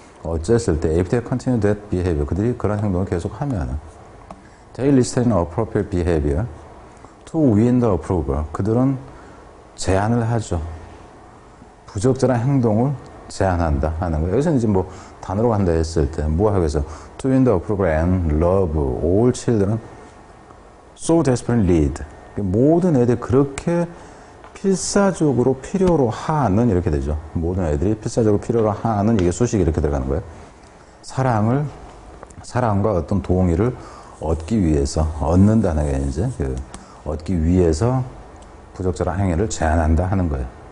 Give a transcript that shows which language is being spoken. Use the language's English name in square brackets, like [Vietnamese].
[Korean] 어쨌을 때, [English] if they continue that behavior, [Korean] 그들이 그런 행동을 계속 하면, [English] they list an appropriate behavior to win the approval. [Korean] 그들은 제안을 하죠. 부적절한 행동을 제안한다 하는 거예요. 여기서 이제 뭐, 단어로 간다 했을 때, 뭐 하겠어? [English] To win the approval and love all children so desperately need. [Korean] 모든 애들이 그렇게 필사적으로 필요로 하는, 이렇게 되죠. 모든 애들이 필사적으로 필요로 하는, 이게 수식 이렇게 들어가는 거예요. 사랑과 어떤 동의를 얻기 위해서, 얻는다는 게 이제, 얻기 위해서 부적절한 행위를 제안한다 하는 거예요.